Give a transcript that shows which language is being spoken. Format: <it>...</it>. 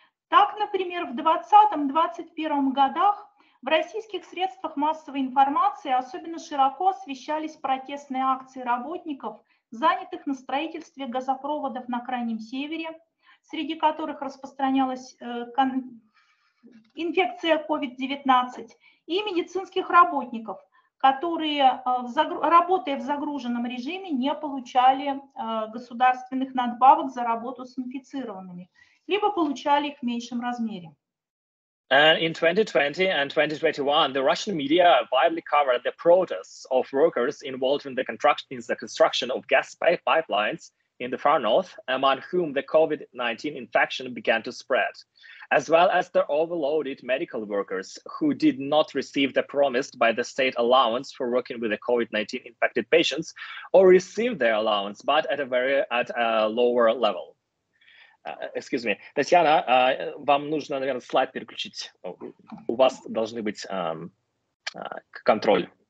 <ru>Так, например, в 2020-2021 годах в российских средствах массовой информации особенно широко освещались протестные акции работников, занятых на строительстве газопроводов на Крайнем Севере, среди которых распространялась инфекция COVID-19, и медицинских работников, которые, работая в загруженном режиме, не получали государственных надбавок за работу с инфицированными, либо получали их в меньшем размере.</ru> <en>And in 2020 and 2021, the Russian media widely covered the protests of workers involved in the construction of gas pipelines in the far north, among whom the COVID-19 infection began to spread, as well as the overloaded medical workers who did not receive the promised by the state allowance for working with the COVID-19 infected patients, or received their allowance, but at a lower level. Excuse me,</en> <ru>Татьяна, вам нужно, наверное, слайд переключить. У вас должны быть контроль.</ru>